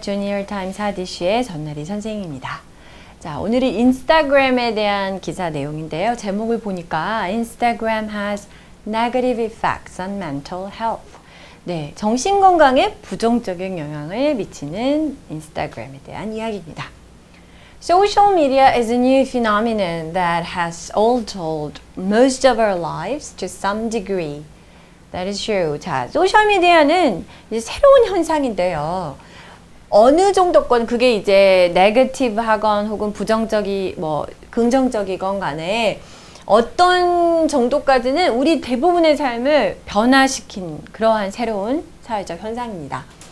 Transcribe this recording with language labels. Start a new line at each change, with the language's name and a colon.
Korean: 주니어타임 사디쉬의 전나리 선생님입니다. 자, 오늘이 인스타그램에 대한 기사 내용인데요. 제목을 보니까
English: Instagram has negative effects on mental health.
Korean: 네, 정신건강에 부정적인 영향을 미치는 인스타그램에 대한 이야기입니다.
English: Social media is a new phenomenon that has altered most of our lives to some degree. That is true.
Korean: 자, 소셜미디어는 이제 새로운 현상인데요. 어느 정도건 그게 이제 네거티브하건 혹은 부정적이 뭐 긍정적이건 간에 어떤 정도까지는 우리 대부분의 삶을 변화시킨 그러한 새로운 사회적 현상입니다.